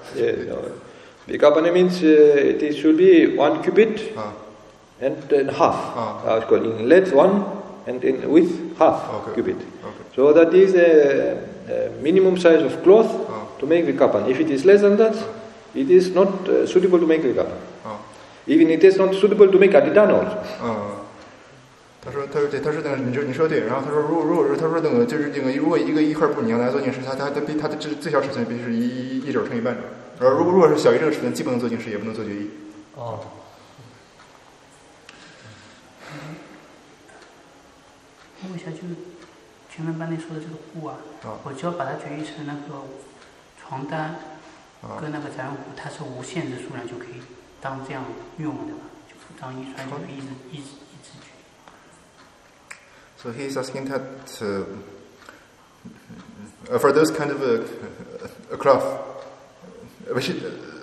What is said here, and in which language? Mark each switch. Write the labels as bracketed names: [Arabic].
[English] Vikapana means it should be 1 cubit and half. It's called in length 1 and in width half cubit. So that is a minimum size of cloth to make vikapana. If it is less than that, it is not suitable to make vikapana. Even it is not suitable to make aditana also. [Chinese] 他说等你说对，然后他说等就是那个，如果一块布你要来做净事，它的最小尺寸必须是一肘乘一半肘，而如果是小于这个尺寸，既不能做净事，也不能做决议。问一下，就是。前面班里说的这个布 我就要把它决议成那个床单跟那个展舞，它是无限制数量就可以当这样用的，就服装一穿就可以一直决议。 [English] So he is asking that for those kind of a cloth,